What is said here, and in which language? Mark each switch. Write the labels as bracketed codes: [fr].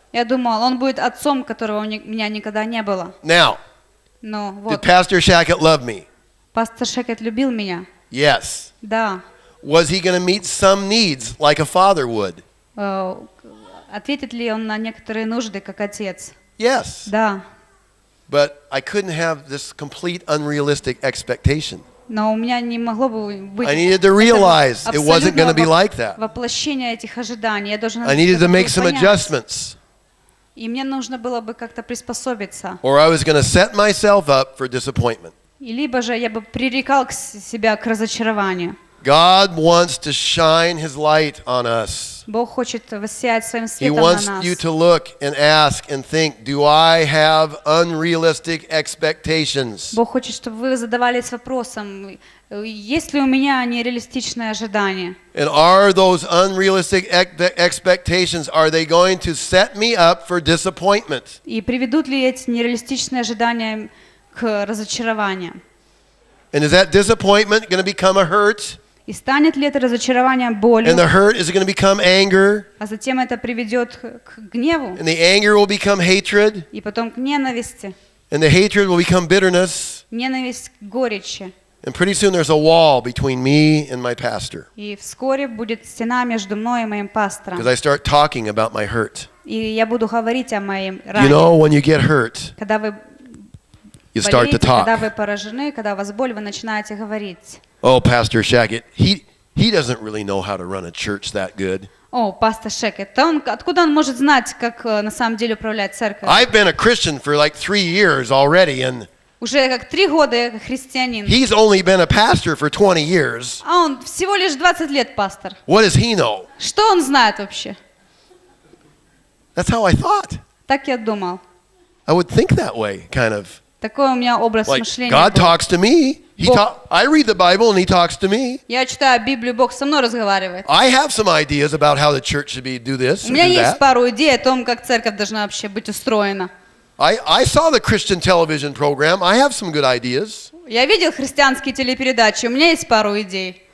[ru] Я думал, он будет отцом, которого у меня никогда не было. [en] Now. [ru] Но вот. [en] Did Pastor Shackett love me? [ru] Пастор Шекет любил меня. [en] Yes. [ru] Да. [en] Was he going to meet some needs like a father would? [ru] ответит ли он на некоторые нужды как отец? [en] Yes. [ru] Да. [en] But I couldn't have this complete unrealistic expectation. [ru] Но у меня не могло бы быть. [en] I needed to realize it wasn't going to be like that. [ru] Воплощение этих ожиданий. Я должен. [en] I needed to make some adjustments. [ru] И мне нужно было бы как-то приспособиться. [en] Or I was going to set myself up for disappointment. [ru] И либо же я бы пререкал себя к разочарованию. [en] God wants to shine His light on us. [ru] Бог хочет воссиять своим светом на нас. [en] He wants you to look and ask and think, do I have unrealistic expectations? [ru] Бог хочет, чтобы вы задавались вопросом, есть ли у меня нереалистичные ожидания? [en] And are those unrealistic expectations, are they going to set me up for disappointment? [ru] И приведут ли эти нереалистичные ожидания к разочарованию? [en] And is that disappointment going to become a hurt? [ru] И станет ли это разочарование болью? [en] And the hurt is going to become anger. [ru] А затем это приведет к гневу. [en] And the anger will become hatred. [ru] И потом к ненависти. [en] And the hatred will become bitterness. [ru] Ненависть к горечи. [en] And pretty soon there's a wall between me and my pastor. [ru] И вскоре будет стена между мной и моим пастором. [en] Because I start talking about my hurt. [ru] И я буду говорить о моем ране. [en] You know, when you get hurt. [ru] Когда вы [en] You start to talk. [ru] Когда вы поражены, когда у вас боль, вы начинаете говорить. [en] Oh, Pastor Shackett, he doesn't really know how to run a church that good. [ru] Oh, Pastor Shackett, откуда он может знать, как на самом деле управлять церковью? [en] I've been a Christian for like 3 years already, and [ru] уже как 3 года я христианин. [en] He's only been a pastor for 20 years. [ru] А он всего лишь 20 лет пастор. [en] What does he know? [ru] Что он знает вообще? [en] That's how I thought. [ru] Так я думал. [en] I would think that way, kind of. [ru] Такой у меня образ мышления. [en] God talks to me. I read the Bible and He talks to me. [ru] Я читаю Библию, Бог со мной разговаривает. [en] I have some ideas about how the church should be do this. [ru] У меня есть пару идей о том, как церковь должна вообще быть устроена. [en] I saw the Christian television program. I have some good ideas. [ru] Я видел христианские телепередачи. У меня есть пару идей.